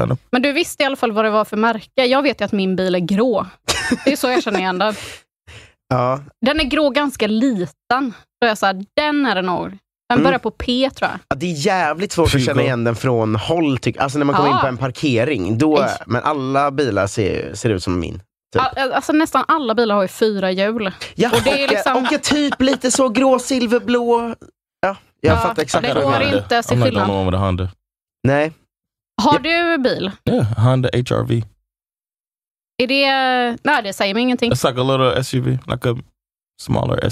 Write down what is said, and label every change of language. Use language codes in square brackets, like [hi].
[sv] Men du visste i alla fall vad det var för märke. Jag vet ju att min bil är grå. Det är så jag känner igen den. Ja. Den är grå ganska liten. Så jag sa, den är den år. Den börjar på P tror jag. Ja, det är jävligt svårt att känna igen den från håll. Alltså när man kommer in på en parkering. Då, men alla bilar ser ut som min. Typ. Alltså nästan alla bilar har ju 4 hjul. Ja, och det är liksom... och typ lite så grå, silverblå. Ja, jag fattar exakt. Det går inte att se skillnaden. Nej. Har du bil? Ja, yeah, Honda HR-V. Är det... Nej, det säger mig ingenting. [en] It's like a little SUV. Like a smaller SUV.